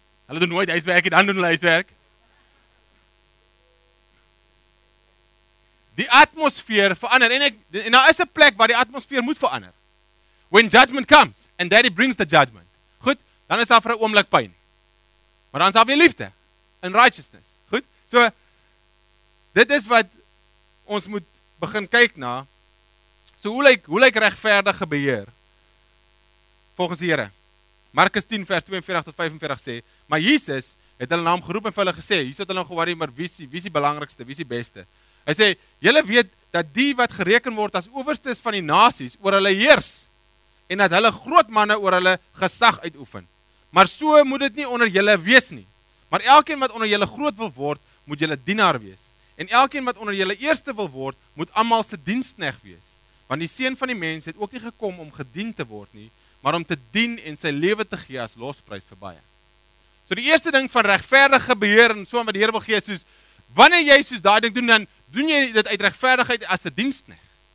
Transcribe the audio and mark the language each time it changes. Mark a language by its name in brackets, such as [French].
[Afrikaans] Hulle doen nooit huiswerk en dan doen hulle huiswerk. Die atmosfeer verander en daar is 'n plek waar die atmosfeer moet verander. [English] When judgment comes and daddy brings the judgment. [Afrikaans] Goed, dan is daar vir 'n oomblik pyn. Maar dan is daar weer liefde en righteousness. Goed? So dit is wat ons moet begin kyk na. So hoe lyk regverdige beheer volgens die Here? Markus 10 vers 42 tot 45 sê, maar Jesus het hulle naam geroep en vir hulle gesê, hier sit hulle nog worry maar wie is die belangrikste, wie is die beste? Hy sê, julle weet dat die wat gereken word as owerstes van die nasies oor hulle heers en dat hulle groot manne oor hulle gesag uitoefen. Maar so moet dit nie onder julle wees nie. Maar elkeen wat onder julle groot wil word, moet julle dienaar wees. En elkeen wat onder julle eerste wil word, moet almal se diensknegt wees. Want die seun van die mens het ook nie gekom om gedien te word nie, maar om te dien en sy lewe te gee as losprys vir baie. So die eerste ding van regverdige beheer en so wat die Here wil gee, soos wanneer jy soos daai ding doen, dan doen jy dit uit regverdigheid as 'n diensknegt.